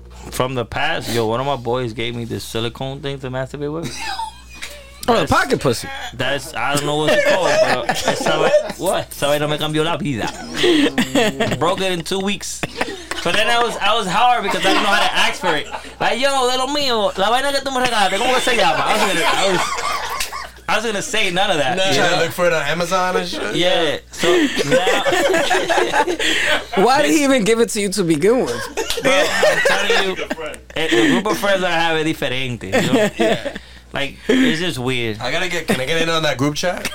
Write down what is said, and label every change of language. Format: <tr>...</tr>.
<en>From the past, yo, one of my boys gave me this silicone thing to masturbate with. Oh, the pocket pussy. That's, I don't know what it's called, but</en> <es>sabe no me cambió la vida.</es> <en>Broke it in 2 weeks. But then I was hard because I didn't know how to ask for it. Like,</en> <es>yo, de lo mío, la vaina que tú me regalaste, ¿cómo se llama?</es> <en>I was gonna say none of that. No. Trying to look for it on Amazon and shit. Yeah. So now, why did he even give it to you to begin with? Bro, I'm telling you, the group of friends I have are different. You know? Yeah. Like, it's just weird. Can I get in on that group chat?</en>